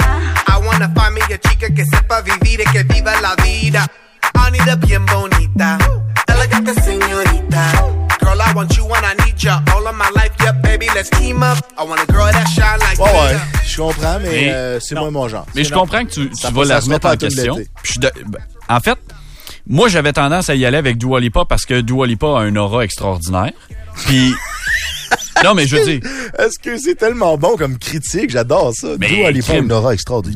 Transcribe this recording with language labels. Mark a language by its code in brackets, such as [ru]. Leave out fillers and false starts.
[es] Oh. [en] I want a [es] familia chica que sepa vivir y que viva la vida. [en] I need a [es] bien bonita. Elegante señorita. [en] Girl, I want you and I need ya. All of my life, yeah, baby, let's team up. I want a girl that shine like you. [fr] Ouais, ouais. Je comprends, mais c'est moins mon genre. Mais je comprends que tu vas la remettre en question. En fait, moi, j'avais tendance à y aller avec Dua Lipa parce que Dua Lipa a un aura extraordinaire. Puis. Non, mais je dis. Est-ce que c'est tellement bon comme critique? J'adore ça. Mais Dua Lipa a une aura extraordinaire.